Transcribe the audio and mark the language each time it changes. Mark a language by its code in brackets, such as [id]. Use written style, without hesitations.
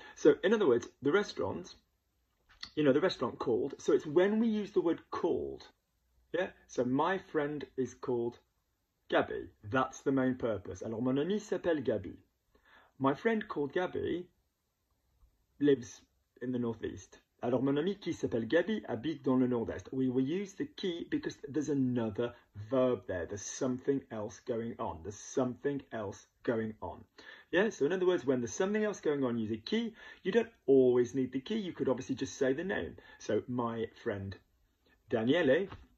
[en] So in other words, the restaurant, you know, the restaurant called. So it's when we use the word called. Yeah. So my friend is called Gabby. That's the main purpose. [fr] Alors mon ami s'appelle Gabby. [en] My friend called Gabby lives in the northeast. [fr] Alors mon ami qui s'appelle Gabby habite dans le nord-est. [en] We use the qui because there's another verb there. There's something else going on. There's something else going on. Yeah, so in other words, when there's something else going on, use a qui. You don't always need the qui. You could obviously just say the name. So my friend Daniele.